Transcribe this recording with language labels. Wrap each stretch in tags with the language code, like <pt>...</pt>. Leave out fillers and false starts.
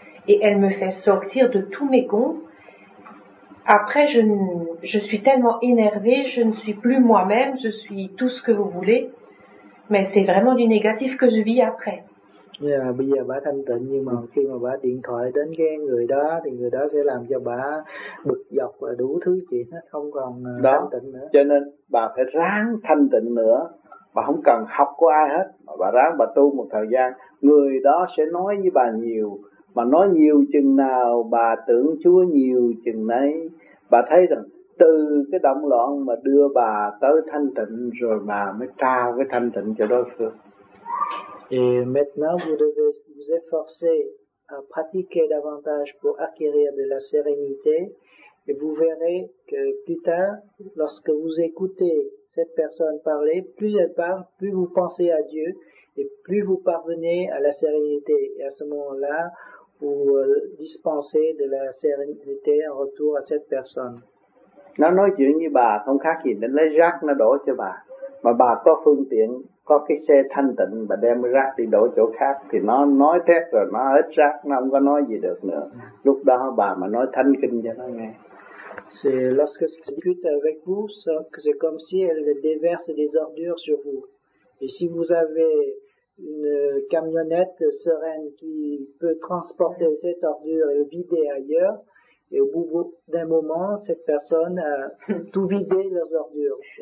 <fr>Et elle me fait sortir de tous mes gonds. Après, je suis tellement énervée, je ne suis plus moi-même, je suis tout ce que vous voulez. Mais c'est vraiment du négatif que je vis après.</fr> <vi>Bây giờ bà thanh tịnh, nhưng mà khi mà bà điện thoại đến cái người đó thì người đó sẽ làm cho bà bực dọc và đủ thứ chuyện hết, không còn thanh tịnh nữa. Cho nên bà phải ráng thanh tịnh nữa, bà không cần học của ai hết, mà bà ráng bà tu một thời gian, người đó sẽ nói với bà nhiều, mà nói nhiều chừng nào bà tưởng Chúa nhiều chừng nấy. Bà thấy rằng từ cái động loạn mà đưa bà tới thanh tịnh, rồi bà mới trao cái thanh tịnh cho đối phương.</vi> <fr>Et maintenant, vous devez vous efforcer à pratiquer davantage pour acquérir de la sérénité, et vous verrez que plus tard, lorsque vous écoutez cette personne parler, plus elle parle, plus vous pensez à Dieu, et plus vous parvenez à la sérénité. Et à ce moment-là, vous dispensez de la sérénité en retour à cette personne.</fr> <vi>Nó nói chuyện như bà, không khác gì đến lấy rác nó đổ cho bà. Mà bà có phương tiện, có cái xe thanh tịnh, bà đem rác đi đổ chỗ khác, thì nó nói thét rồi, nó hết rác, nó không có nói gì được nữa. Lúc đó bà mà nói thánh kinh cho nó nghe.</vi> <fr>C'est lorsque elle discute avec vous, c'est comme si elle déverse des ordures sur vous. Et si vous avez une camionnette sereine qui peut transporter cette ordure et le vider ailleurs, et au bout d'un moment, cette personne a tout vidé leurs ordures.</fr>